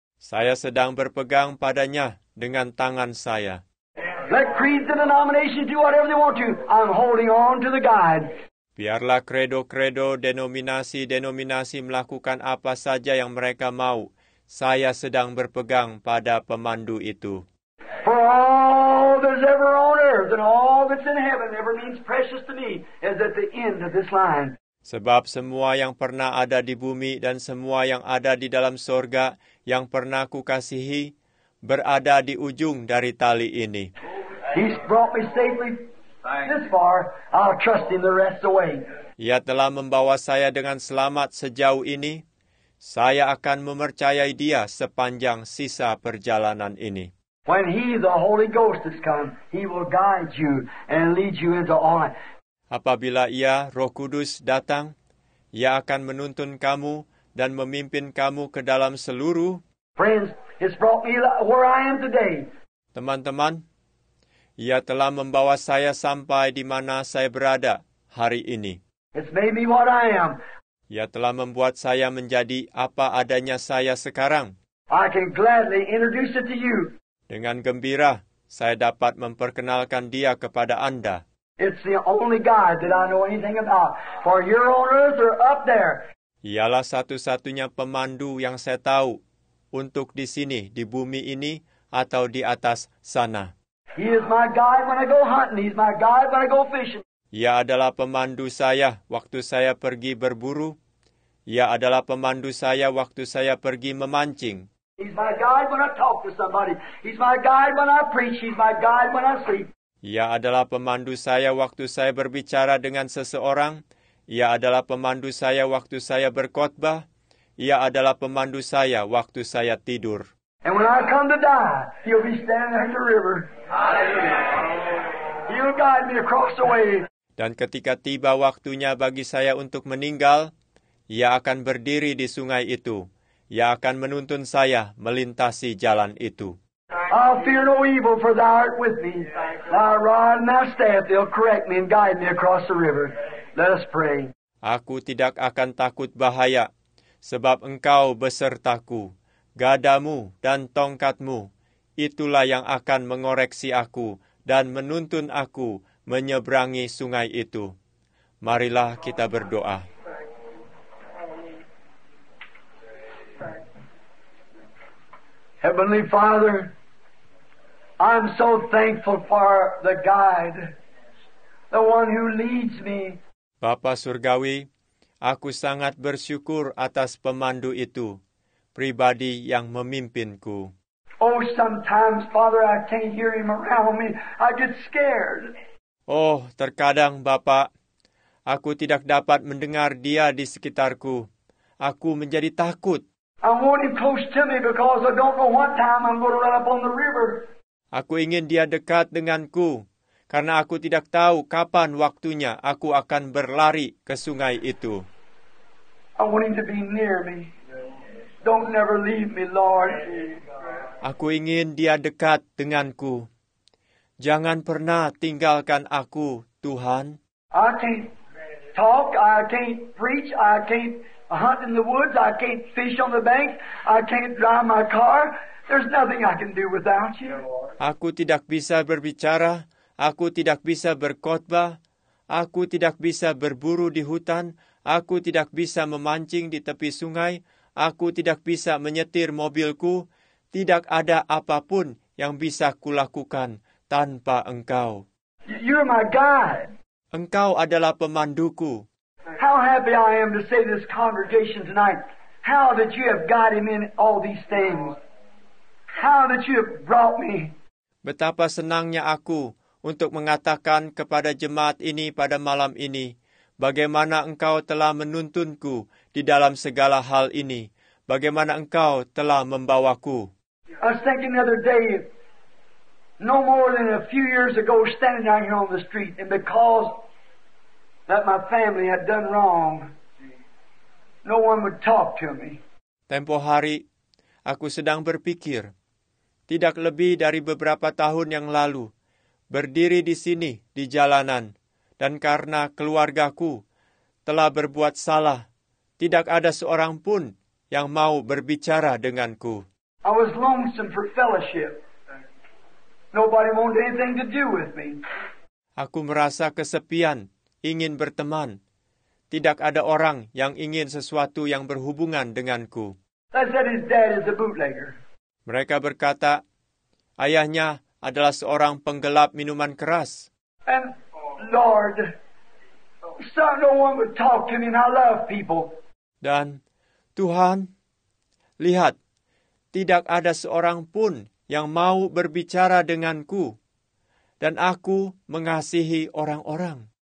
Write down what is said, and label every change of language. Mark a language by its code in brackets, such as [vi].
[id] Saya sedang berpegang padanya dengan tangan saya. [en] Let creeds and denominations do whatever they want to. I'm holding on to the guide. [id] Biarlah kredo-kredo, denominasi-denominasi melakukan apa saja yang mereka mau. Saya sedang berpegang pada pemandu itu. [en] For all that's ever on earth and all that's in heaven ever means precious to me is at the end of this line. [id] Sebab semua yang pernah ada di bumi dan semua yang ada di dalam sorga yang pernah kukasihi berada di ujung dari tali ini. [en] He's brought me safely this far. I'll trust him the rest away. [id] Ia telah membawa saya dengan selamat sejauh ini. Saya akan mempercayai dia sepanjang sisa perjalanan ini. [en] When he, the Holy Ghost, has come, he will guide you and lead you into all life. [id] Apabila ia, Roh Kudus, datang, ia akan menuntun kamu dan memimpin kamu ke dalam seluruh. [en] Friends, it's brought me where I am today. [id] Teman-teman, ia telah membawa saya sampai di mana saya berada hari ini. [en] It's made me what I am. [id] Ia telah membuat saya menjadi apa adanya saya sekarang. [en] I can gladly introduce it to you. [id] Dengan gembira, saya dapat memperkenalkan dia kepada Anda. [en] It's the only guide that I know anything about. For you're on earth or up there. [id] Ialah satu-satunya pemandu yang saya tahu untuk di sini, di bumi ini, atau di atas sana. [en] He is my guide when I go hunting. He's my guide when I go fishing. [id] Ia adalah pemandu saya waktu saya pergi berburu. Ia adalah pemandu saya waktu saya pergi memancing. [en] He's my guide when I talk to somebody. He's my guide when I preach. He's my guide when I sleep. [id] Ia adalah pemandu saya waktu saya berbicara dengan seseorang. Ia adalah pemandu saya waktu saya berkhotbah. Ia adalah pemandu saya waktu saya tidur. [en] And when I come to die, he'll be standing at the river. Hallelujah. He'll guide me across the way. [id] Dan ketika tiba waktunya bagi saya untuk meninggal, ia akan berdiri di sungai itu. Ia akan menuntun saya melintasi jalan itu. [en] I fear no evil, for thou art with me. Thy rod and thy staff, they'll correct me and guide me across the river. Let us pray. [id] Aku tidak akan takut bahaya, sebab engkau besertaku. Gadamu dan tongkatmu, itulah yang akan mengoreksi aku dan menuntun aku menyeberangi sungai itu. Marilah kita berdoa. [en] Heavenly Father, I'm so thankful for the guide, the one who leads me. [id] Bapa Surgawi, aku sangat bersyukur atas pemandu itu, pribadi yang memimpinku. [en] Oh, sometimes, Father, I can't hear him around me. I get scared. [id] Oh, terkadang, Bapa, aku tidak dapat mendengar dia di sekitarku. Aku menjadi takut. [en] I want him close to me because I don't know what time I'm going to run up on the river. [id] Aku ingin dia dekat denganku, karena aku tidak tahu kapan waktunya aku akan berlari ke sungai itu. [en] I want him to be near me. Don't never leave me, Lord. [id] Aku ingin dia dekat denganku. Jangan pernah tinggalkan aku, Tuhan. [en] I can't talk, I can't preach, I can't hunt in the woods, I can't fish on the bank, I can't drive my car. There's nothing I can do without you. [id] Aku tidak bisa berbicara, aku tidak bisa berkhotbah, aku tidak bisa berburu di hutan, aku tidak bisa memancing di tepi sungai, aku tidak bisa menyetir mobilku, tidak ada apapun yang bisa kulakukan tanpa Engkau. [en] You're my guide. [id] Engkau adalah pemanduku. [en] How happy I am to see this congregation tonight. How that you have guided me in all these things. How that you have brought me. [id] Betapa senangnya aku untuk mengatakan kepada jemaat ini pada malam ini, bagaimana Engkau telah menuntunku di dalam segala hal ini. Bagaimana Engkau telah membawaku. [en] I was thinking the other day, no more than a few years ago, standing out here on the street, and because that my family had done wrong, no one would talk to me. [id] Tempo hari, aku sedang berpikir, tidak lebih dari beberapa tahun yang lalu, berdiri di sini, di jalanan, dan karena keluargaku telah berbuat salah, tidak ada seorang pun yang mau berbicara denganku. [en] I was lonesome for fellowship. Nobody wanted anything to do with me. [id] Aku merasa kesepian, ingin berteman. Tidak ada orang yang ingin sesuatu yang berhubungan denganku. [en] They said his dad is a bootlegger. [id] Mereka berkata, ayahnya adalah seorang penggelap minuman keras. [en] And Lord, so no one would talk to me, and I love people. [id] Dan Tuhan, lihat, tidak ada seorang pun yang mau berbicara denganku, dan aku mengasihi orang-orang.